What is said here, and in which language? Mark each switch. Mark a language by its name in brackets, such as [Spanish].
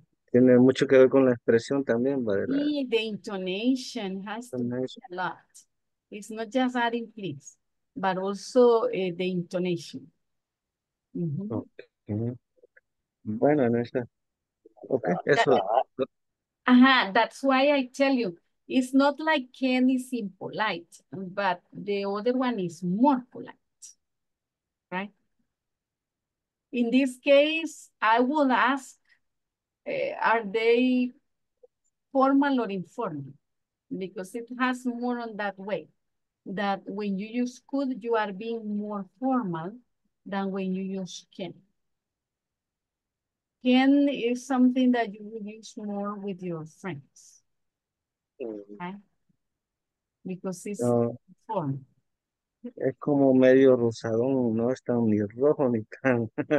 [Spanish] tiene mucho que ver con la expresión también, ¿verdad? [English] Y the intonation has to be a lot. It's not just adding please, but also the intonation. [Spanish] Mm-hmm. Okay. Bueno, Anessa. Okay, eso. [English] That's why I tell you, it's not like Ken is impolite, but the other one is more polite, right? In this case, I will ask, are they formal or informal? Because it has more on that way, that when you use could, you are being more formal than when you use can. Can is something that you will use more with your friends. Okay? Because it's form. [Spanish] Es como medio rosadón, no es tan ni rojo ni tan.